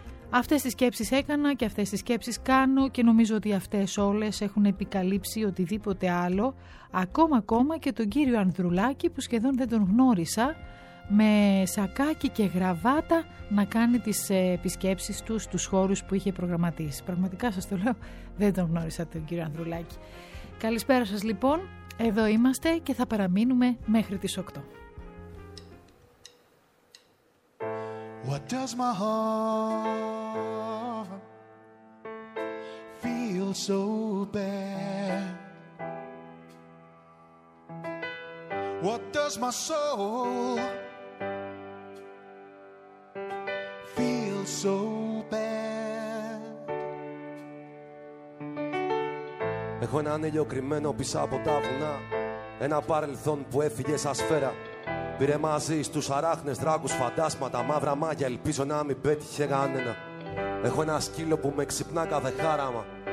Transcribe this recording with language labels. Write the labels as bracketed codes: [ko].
[el] Αυτές τις σκέψεις έκανα και αυτές τις σκέψεις κάνω, και νομίζω ότι αυτές όλες έχουν επικαλύψει οτιδήποτε άλλο, ακόμα και τον κύριο Ανδρουλάκη που σχεδόν δεν τον γνώρισα, με σακάκι και γραβάτα να κάνει τις επισκέψεις του στους χώρους που είχε προγραμματίσει. Πραγματικά σας το λέω, δεν τον γνώρισα τον κύριο Ανδρουλάκη. Καλησπέρα σας λοιπόν, εδώ είμαστε και θα παραμείνουμε μέχρι τις 8. [en] What does my heart feel so bad? What does my soul feel so bad? [el] Έχω ένα ήλιο κρυμμένο πίσω από τα βουνά. Ένα παρελθόν που έφυγε σαν σφαίρα. Πήρε μαζί στους αράχνες, δράκους, φαντάσματα, μαύρα μάγια. Ελπίζω να μην πέτυχε κανένα. Έχω ένα σκύλο που με ξυπνά κάθε χάραμα.